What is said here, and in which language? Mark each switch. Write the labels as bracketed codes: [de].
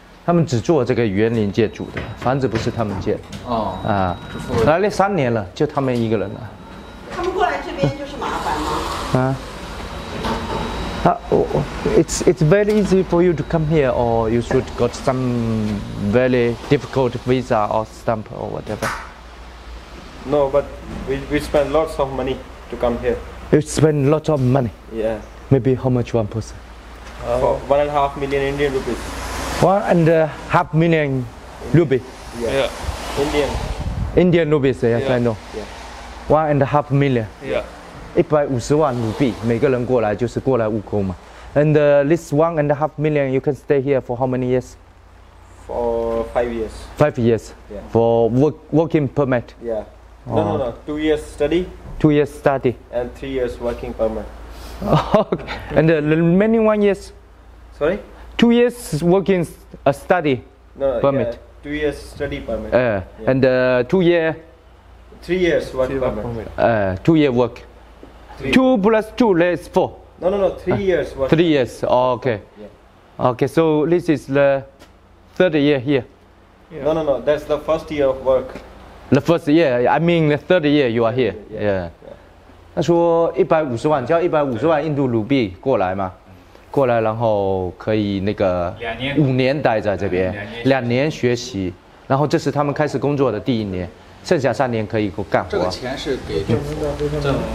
[zh] 他们只做这个园林建筑的，房子不是他们建的。来了3年了，就他们一个人了。他们过来这边就是麻烦吗？ [en] It's very easy for you to come here, or you should got some very difficult visa or stamp or whatever. No, but we spend lots of money to come here. You spend lots of money. Yeah. Maybe how much one person? $1.5 million Indian rupees. $1.5 million rupees? Yeah. Indian. Indian rupees, yes, I know. Yeah. $1.5 million. Yeah. [zh] 150万卢币，每个人过来就是过来务工嘛。 [en] And this $1.5 million, you can stay here for how many years? For 5 years. 5 years. Yeah. For working permit. Yeah. No. 2 years study. 2 years study. And 3 years working permit. Okay. And the remaining 1 year? Sorry? 2 years working a study permit. Yeah, 2 years study permit. And 2 year? 3 years work permit. 2 year work. 2 plus 2, that's 4. No, 3 years work. 3 years, oh, okay. Yeah. Okay, so this is the third year here. Yeah. No, that's the first year of work. The first year, I mean the third year you are here. Yeah. [zh] 他说150万，只要150万印度卢币过来嘛，过来然后可以那个 5年待在这边，两年学习，然后这是他们开始工作的第一年，剩下3年可以干活。这个钱是给政府的，